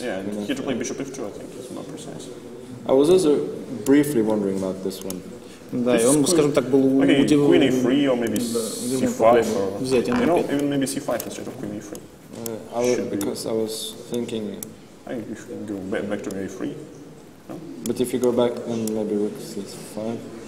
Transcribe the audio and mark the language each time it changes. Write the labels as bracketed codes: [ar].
[en] Yeah, and here to play bishop f2, I think, is more precise. I was also briefly wondering about this one. [ru] Да, и он, скажем так, был удивлен. [en] Queen e3, or maybe c5, or, you know, even maybe c5 instead of queen e3. Because I was thinking... I should go back to a3, no? But if you go back, then maybe rook c5.